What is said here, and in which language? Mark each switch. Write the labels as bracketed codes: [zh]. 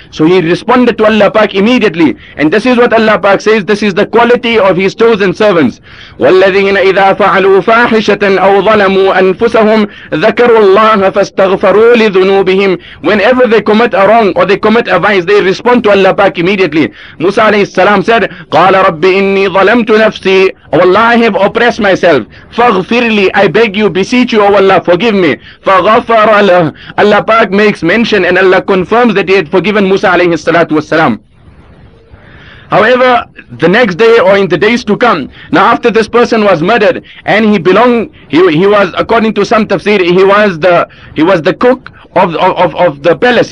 [en] So he responded to Allah Park immediately. And this is what Allah Park says, this is the quality of his chosen servants. [ar] وَالَّذِينَ إِذَا فَعَلُوا فَاحِشَةً أَوْ ظَلَمُوا أَنفُسَهُمْ ذَكَرُوا اللَّهَ فَاسْتَغْفَرُوا لِذُنُوبِهِمْ. [en] Whenever they commit a wrong or they commit a vice, they respond to Allah Pak immediately. Musa alayhi salam said, [ar] قَالَ رَبِّ إِنِّي ظَلَمْتُ نَفْسِي. [en] Oh Allah, I have oppressed myself. فَغْفِرْلِي, I beg you, beseech you, oh Allah, forgive me. [ar] فَغَفَرَ لَهُ. [en] Allah Pak makes mention and Allah confirms that he had forgiven Musa alayhi salatu wasalam. However, the next day or in the days to come, now after this person was murdered and he belonged, he was, according to some tafsir, he was the cook of the palace.